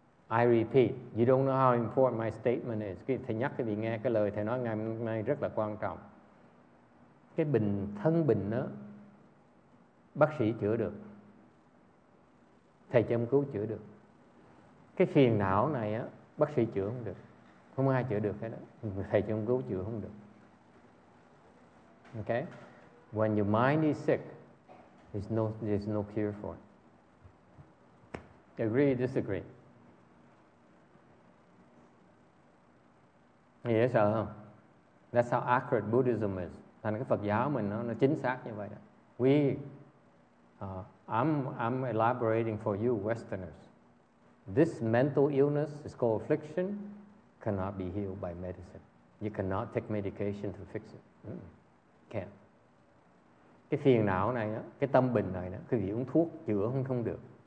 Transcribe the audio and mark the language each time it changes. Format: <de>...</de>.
<en>I repeat, you don't know how important my statement is.</en> <vi>Thầy nhắc cái vị nghe cái lời thầy nói ngày hôm nay rất là quan trọng. Cái bệnh thân bệnh đó bác sĩ chữa được, thầy châm cứu chữa được. Cái phiền não này á bác sĩ chữa không được, không ai chữa được hết đó, thầy châm cứu chữa không được.</vi> <en>Okay, when your mind is sick, there's no cure for it. Agree, disagree?</en> <vi>Nghĩa sợ không?</vi> <en>That's how accurate Buddhism is.</en> <vi>Thành cái Phật giáo mình nó chính xác như vậy đó.</vi> <en>I'm elaborating for you Westerners. This mental illness is called affliction, cannot be healed by medicine. You cannot take medication to fix it. Can't.</en> <vi>cái phiền não này đó, cái tâm bình này đó, quý vị uống thuốc chữa không được.</vi>